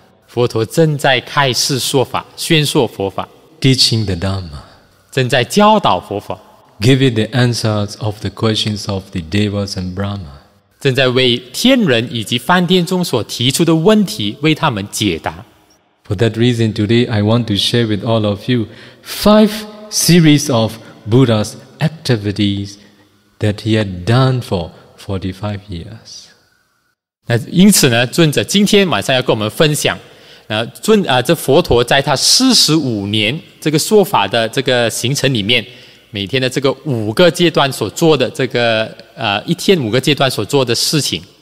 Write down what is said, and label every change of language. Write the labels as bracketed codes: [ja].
[zh] 佛陀正在开示说法宣说佛法。 [en] teaching the Dhamma. [zh] 正在教导佛法。 [en] Giving the answers of the questions of the devas and Brahma. [zh] 正在为天人以及梵天中所提出的问题为他们解答。 [en] For that reason, today I want to share with all of you five series of Buddha's activities that he had done for 45 years. [zh] 那因此呢，尊者今天晚上要跟我们分享，这佛陀在他45年这个说法的这个行程里面，每天的这个五个阶段所做的这个一天五个阶段所做的事情。